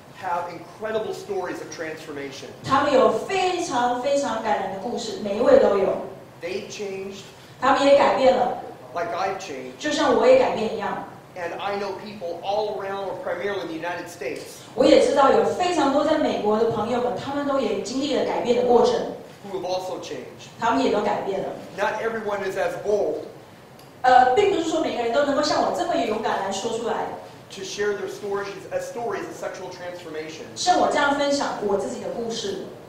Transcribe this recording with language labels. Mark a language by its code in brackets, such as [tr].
[en] Have incredible stories of transformation. [zh] 他们有非常非常感人的故事，每一位都有。 [en] They changed. [zh] 他们也改变了。 [en] Like I've changed. [zh] 就像我也改变一样。 [en] And I know people all around, or primarily in the United States. [zh] 我也知道有非常多在美国的朋友们，他们都也经历了改变的过程。 [en] Who have also changed? [zh] 他们也都改变了。 [en] Not everyone is as bold. [zh] 并不是说每个人都能够像我这么有勇敢来说出来。 [en] To share their stories, as stories of sexual transformation. [zh] 像我这样分享我自己的故事。